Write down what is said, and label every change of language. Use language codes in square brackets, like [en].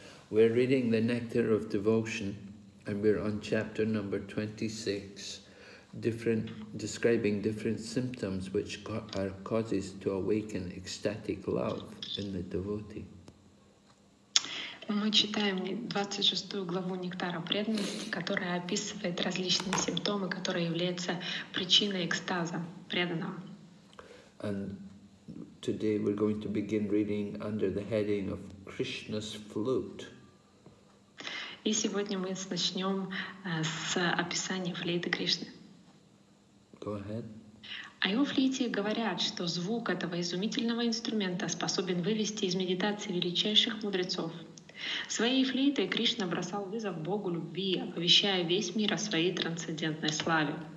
[en] We're reading the Nectar of Devotion, and we're on chapter number 26, describing different symptoms which are causes to awaken ecstatic love in the devotee. [ru] Мы читаем 26 главу Нектара преданности, которая описывает различные симптомы, которые являются причиной экстаза преданного. [en] And today we're going to begin reading under the heading of Krishna's flute. [ru] И сегодня мы начнем с описания флейты Кришны. [en] Go ahead. [ru] О его флейте говорят, что звук этого изумительного инструмента способен вывести из медитации величайших мудрецов. Своей флейтой Кришна бросал вызов Богу любви, оповещая весь мир о своей трансцендентной славе.